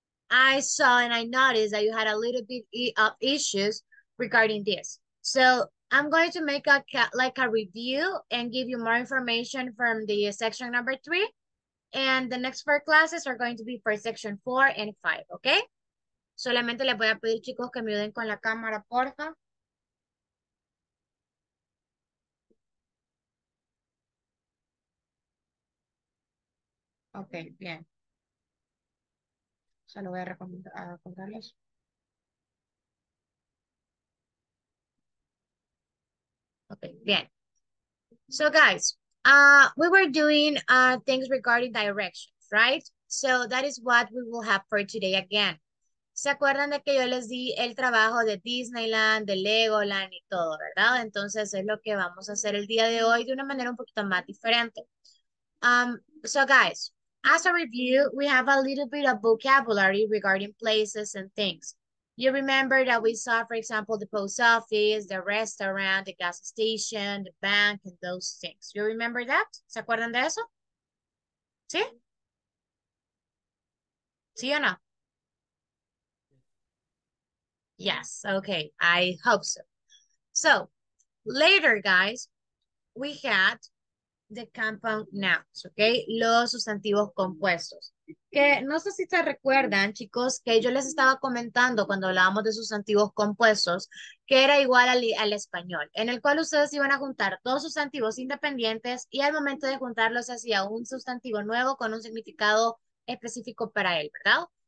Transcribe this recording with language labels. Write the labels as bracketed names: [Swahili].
[English] I saw and I noticed that you had a little bit of issues regarding this. So I'm going to make a review and give you more information from the section number 3. And the next 4 classes are going to be for section 4 and 5, okay? [Spanish] Solamente les voy a pedir, chicos, que me ayuden con la cámara, porfa. Okay, bien. Solo voy a contarles. [English] Okay, bien. So guys, we were doing things regarding directions, right? So that is what we will have for today again. [Spanish] ¿Se acuerdan de que yo les di el trabajo de Disneyland, de Legoland y todo, verdad? Entonces es lo que vamos a hacer el día de hoy de una manera un poquito más diferente. [English] So guys, as a review, we have a little bit of vocabulary regarding places and things. You remember that we saw, for example, the post office, the restaurant, the gas station, the bank, and those things. You remember that? [Spanish] ¿Se acuerdan de eso? ¿Sí? ¿Sí o no? [English] Yes, okay, I hope so. So, later, guys, we had the compound nouns, okay? [Spanish] Los sustantivos compuestos. Que no sé si te recuerdan, chicos, que yo les estaba comentando cuando hablábamos de sustantivos compuestos, que era igual al español, en el cual ustedes iban a juntar dos sustantivos independientes y al momento de juntarlos hacía un sustantivo nuevo con un significado específico para él, ¿verdad?